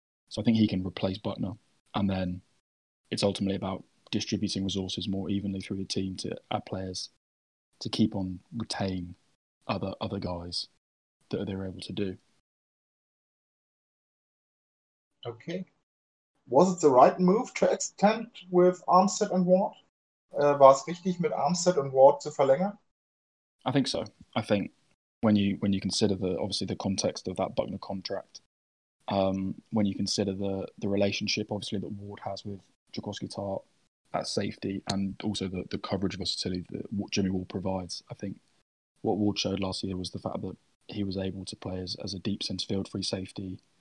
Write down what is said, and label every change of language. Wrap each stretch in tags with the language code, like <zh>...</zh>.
<en>So I think he can replace Buckner. And then it's ultimately about distributing resources more evenly through the team to add players to keep on retain other guys that they're able to do. Okay. Was it the right move to extend with Armstead and Ward?</en> <de>War es richtig, mit Armstead und Ward zu verlängern?</de> <en>I think so. I think when you consider the context of that Buckner contract, when you consider the relationship obviously that Ward has with Jacoski Tart at safety, and also the coverage versatility that Jimmy Ward provides, I think what Ward showed last year was the fact that he was able to play as a deep centre field free safety.</en>